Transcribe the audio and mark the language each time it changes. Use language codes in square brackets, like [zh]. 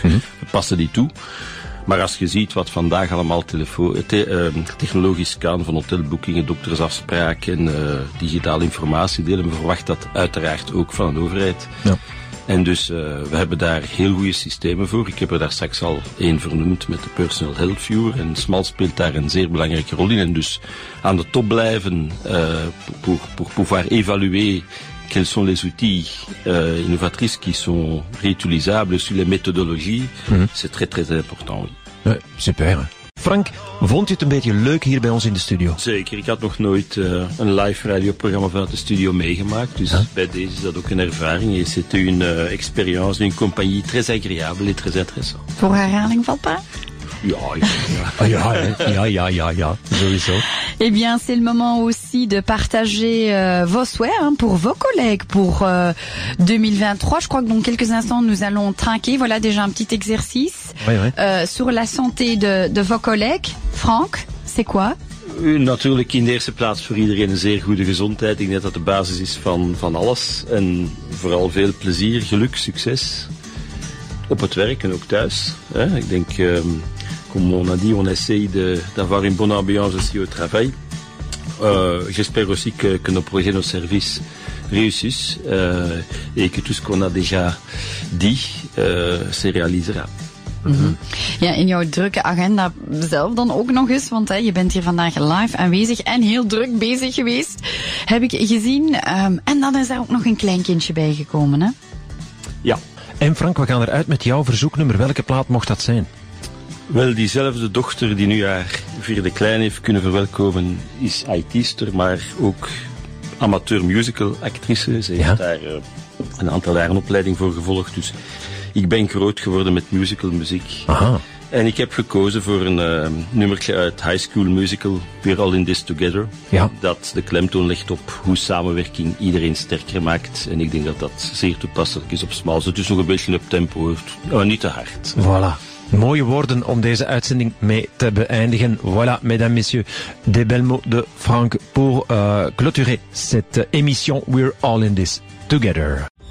[nl] We passen die toe. Maar als je ziet wat vandaag allemaal technologisch kan, van hotelboekingen, doktersafspraken, digitaal informatie delen, we verwachten dat uiteraard ook van een overheid. Ja. En dus we hebben daar heel goede systemen voor. Ik heb er daar straks al één vernoemd met de Personal Health Viewer. En Smal speelt daar een zeer belangrijke rol in. En dus aan de top blijven [fr] pour pouvoir évaluer quels sont les outils innovatrices qui sont réutilisables sur les méthodologies, c'est très très important. Oui. Super. [nl] Frank, vond je het een beetje leuk hier bij ons in de studio? Zeker, ik had nog nooit een live radioprogramma vanuit de studio meegemaakt. Dus bij deze is dat ook een ervaring. [fr] Et c'est une expérience, une compagnie très agréable et très intéressante. [nl] Voor herhaling vatbaar? Ja, sowieso. [fr] Eh bien, c'est le moment aussi de partager vos souhaits hein, pour vos collègues pour 2023. Je crois que dans quelques instants, nous allons trinquer. Voilà déjà un petit exercice sur la santé de vos collègues. Franck, c'est quoi? [nl] Natuurlijk, in de eerste plaats voor iedereen een zeer goede gezondheid. Ik denk dat de basis is van alles. En vooral veel plezier, geluk, succes op het werk en ook thuis. Hè? Ik denk... [fr] Comme on a dit, on essaye d'avoir une bonne ambiance aussi au travail. J'espère aussi que nos projets, nos services réussissent et que tout ce qu'on a déjà dit se réalisera. [nl] Ja, in jouw drukke agenda zelf dan ook nog eens, want hè, je bent hier vandaag live aanwezig en heel druk bezig geweest, heb ik gezien. En dan is er ook nog een kleinkindje bijgekomen, hè? Ja. En Frank, we gaan eruit met jouw verzoeknummer. Welke plaat mocht dat zijn? Wel, diezelfde dochter die nu haar vierde klein heeft kunnen verwelkomen, is IT-ster, maar ook amateur musical actrice. Ze heeft daar een aantal jaren opleiding voor gevolgd, dus ik ben groot geworden met musical muziek. En ik heb gekozen voor een nummertje uit High School Musical, We're All In This Together, dat de klemtoon legt op hoe samenwerking iedereen sterker maakt. En ik denk dat dat zeer toepasselijk is op Smalls. Het is nog een beetje op tempo, maar niet te hard. [fr] Voilà. [nl] Mooie woorden om deze uitzending mee te beëindigen. [fr] Voilà, mesdames, messieurs, des belles mots de Franck pour clôturer cette émission We're All In This Together.